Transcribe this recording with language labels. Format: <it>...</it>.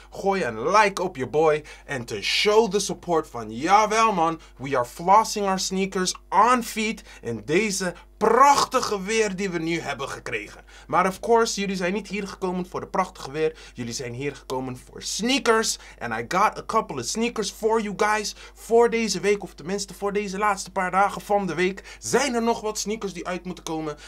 <nl>Gooi een like op je boy. En</nl> <en>to show the support</en> <nl>van, jawel man,</nl> <en>we are flossing our sneakers on feet</en> <nl>in deze prachtige weer die we nu hebben gekregen. Maar of course, jullie zijn niet hier gekomen voor de prachtige weer. Jullie zijn hier gekomen voor sneakers.</nl> <en>And I got a couple of sneakers for you guys.</en> <nl>Voor deze week, of tenminste voor deze laatste paar dagen van de week, zijn er nog wat sneakers die uit moeten komen.</nl>